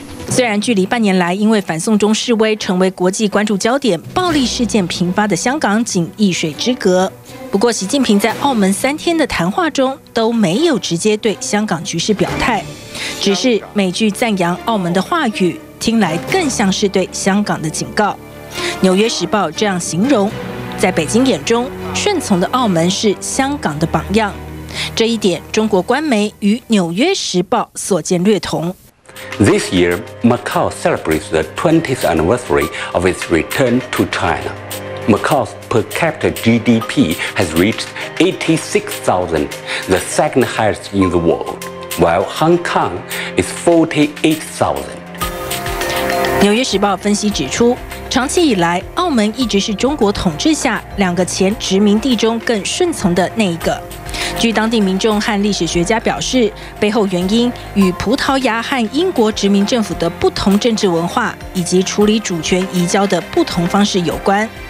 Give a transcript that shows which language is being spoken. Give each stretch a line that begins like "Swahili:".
Chinese: 虽然距离半年来因为反送中示威成为国际关注焦点，暴力事件频发的香港仅一水之隔，不过习近平在澳门三天的谈话中都没有直接对香港局势表态，只是每句赞扬澳门的话语听来更像是对香港的警告。纽约时报这样形容，在北京眼中顺从的澳门是香港的榜样，这一点中国官媒与纽约时报所见略同。
English: This year, Macau celebrates the 20th anniversary of its return to China. Macau's per capita GDP has reached 86,000, the second highest in the world, while Hong Kong is 48,000.
Chinese: 纽约时报分析指出，长期以来，澳门一直是中国统治下两个前殖民地中更顺从的那一个。据当地民众和历史学家表示，背后原因与葡萄牙和英国殖民政府的不同政治文化以及处理主权移交的不同方式有关。